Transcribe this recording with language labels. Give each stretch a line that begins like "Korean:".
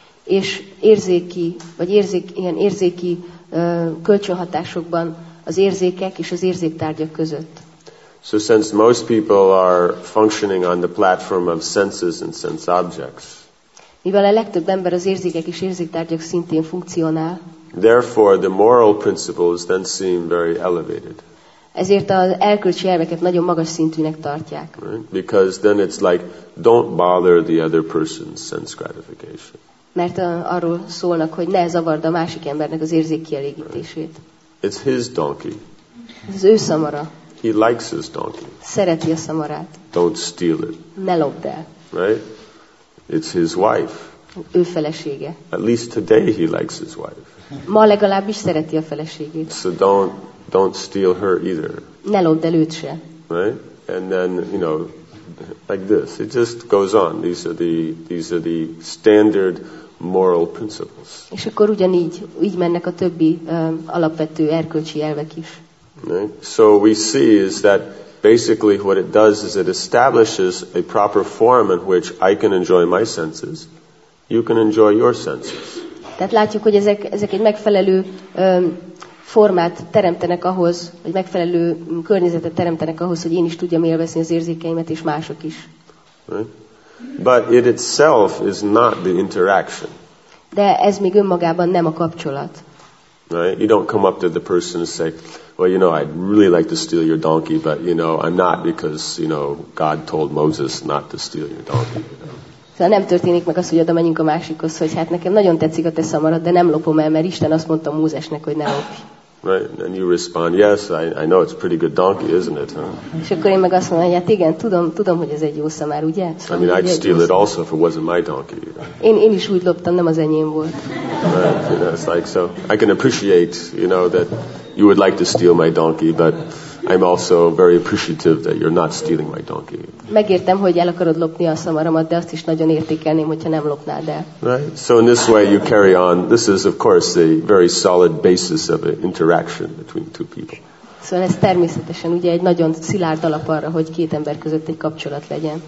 Hungarian: És érzéki, vagy ilyen érzéki kölcsönhatásokban az érzékek és az érzéktárgyak között.
English: So since most people are functioning on the platform of senses and sense objects,
Hungarian: mivel a legtöbb ember az érzékek és érzéktárgyak szintén funkcionál.
English: Therefore, the moral principles then seem very elevated.
Hungarian: Ezért az erkölcsi elveket nagyon magas szintűnek tartják.
English: Right? Because then it's like, don't bother the other person's sense gratification.
Hungarian: Mert arról szólnak, hogy ne zavard a másik embernek az érzékkielégítését.
English: Right. It's his donkey.
Hungarian: Ez az ő szamara.
English: He likes his donkey.
Hungarian: Szereti a szamarát.
English: Don't steal it.
Hungarian: Ne lopd el.
English: Right? It's his wife.
Hungarian: Ő felesége.
English: At least today he likes his wife.
Hungarian: Ma legalábbis szereti a feleségét.
English: So don't steal her either.
Hungarian: Ne lopd el őt se.
English: Right? And then, you know, like this. It just goes on. These are the standard moral principles.
Hungarian: És akkor ugyanígy így mennek a többi alapvető erkölcsi elvek is.
English: So we see is that basically what it does is it establishes a proper form in which I can enjoy my senses, you can enjoy your senses.
Hungarian: Tehát látjuk, hogy ezek egy megfelelő formát teremtenek ahhoz, vagy megfelelő környezetet teremtenek ahhoz, hogy én is tudjam élvezni az érzékeimet, és mások is.
English: But it itself is not the interaction.
Hungarian: De ez még önmagában nem a kapcsolat.
English: Right? You don't come up to the person and say, well, you know, I'd really like to steal your donkey, but, you know, I'm not because, you know, God told Moses not to steal your donkey.
Hungarian: Szóval nem történik meg az, hogy oda menjünk a másikhoz, hogy hát nekem nagyon tetszik a te szamarad, de nem lopom el, mert Isten azt mondta Mózesnek, hogy ne lopj.
English: Right, and you respond, yes, I know it's pretty good donkey, isn't it? Huh?
Hungarian: És akkor én meg azt mondom, hogy hát igen, tudom, hogy ez egy jó szamár, ugye?
English: I mean, I'd steal it also if it wasn't my donkey.
Hungarian: Én is úgy loptam, nem az enyém volt.
English: Right, you know, it's like, so I can appreciate, you know, that you would like to steal my donkey, but I'm also very appreciative that you're not stealing my donkey.
Hungarian: Megértem, hogy el akarod lopni a szamaramat, de azt is nagyon értékelném, hogyha nem lopnád el.
English: Right. So in this way you carry on. This is of course a very solid basis of an interaction between two people.
Hungarian: Szóval ez természetesen ugye egy nagyon szilárd alap arra, hogy két ember között egy kapcsolat legyen.